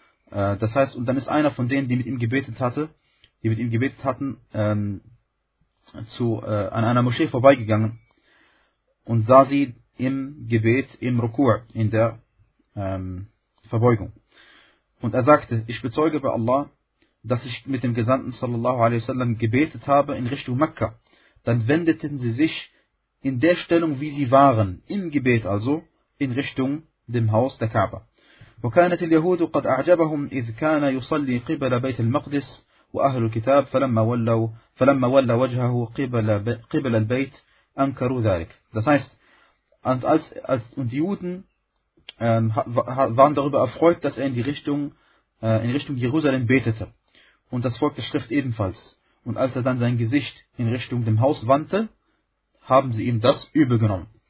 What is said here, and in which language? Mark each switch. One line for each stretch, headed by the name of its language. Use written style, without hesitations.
German: Das heißt, und dann ist einer von denen, die mit ihm gebetet hatten, an einer Moschee vorbeigegangen und sah sie im Gebet, im Ruku', in der Verbeugung. Und er sagte, ich bezeuge bei Allah, dass ich mit dem Gesandten sallallahu alaihi wasallam gebetet habe in Richtung Mekka. Dann wendeten sie sich in der Stellung, wie sie waren, im Gebet also, in Richtung dem Haus der Kaaba.
Arabic: وَكَانَتِ الْيَهُودُ قَدْ أَعْجَبَهُمْ إِذْ كَانَ يُصَلِّي قِبَلَ بَيْتِ الْمَقْدِسِ وأهل الكتاب فلما ولى وجهه قبل البيت أنكروا ذلك.
German: Das heißt, und die Juden waren darüber erfreut, dass er in Richtung Jerusalem betete, und das Volk der Schrift ebenfalls. Und als er dann sein Gesicht in Richtung dem Haus wandte, haben sie ihm das übel genommen.